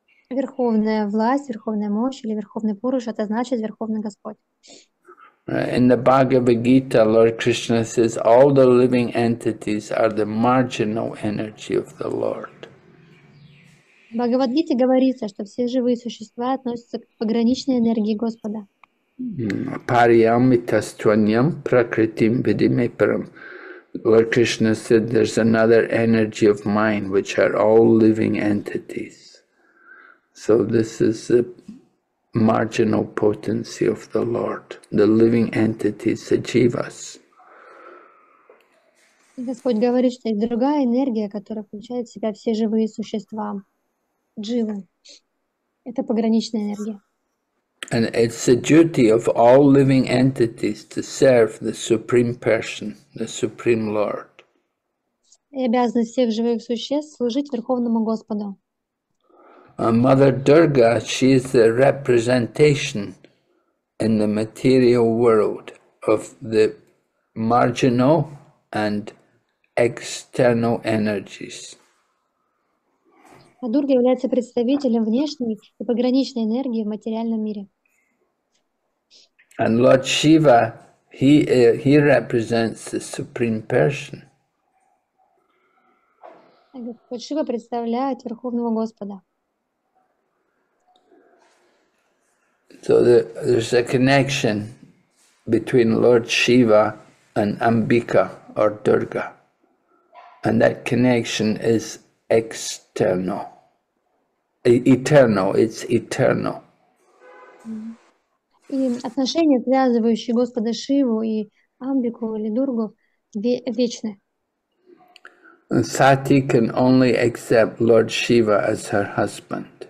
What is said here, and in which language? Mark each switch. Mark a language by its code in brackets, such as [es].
[ru] Верховная власть, верховная мощь или верховный Пуруша, это значит Верховный Господь. [en] In the Bhagavad Gita, Lord Krishna says all the living entities are the marginal energy of the Lord. [ru] В Бхагавадгите говорится, что все живые существа относятся к пограничной энергии Господа. [sa] Pariyamitastvanyam prakritim vidimiparam. [en] Lord Krishna said there's another energy of mind which are all living entities. So this is the marginal potency of the Lord. The living entities, the jivas. [ru] Господь говорит, что есть другая энергия, которая включает в себя все живые существа, дживы. Это пограничная энергия. [en] And it's the duty of all living entities to serve the Supreme Person, the Supreme Lord. [ru] И обязанность всех живых существ служить Верховному Господу. [en] And Mother Durga, she is the representation in the material world of the marginal and external energies. [ru] А Дурга является представителем внешней и пограничной энергии в материальном мире. [en] And Lord Shiva, he represents the Supreme Person. [ru] Господь Шива представляет Верховного Господа. [en] So there's a connection between Lord Shiva and Ambika or Durga. And that connection is external, eternal, it's eternal. [ru] И отношения, связывающие Господа Шиву и Амбику или Дургу, вечны. [en] And Sati can only accept Lord Shiva as her husband.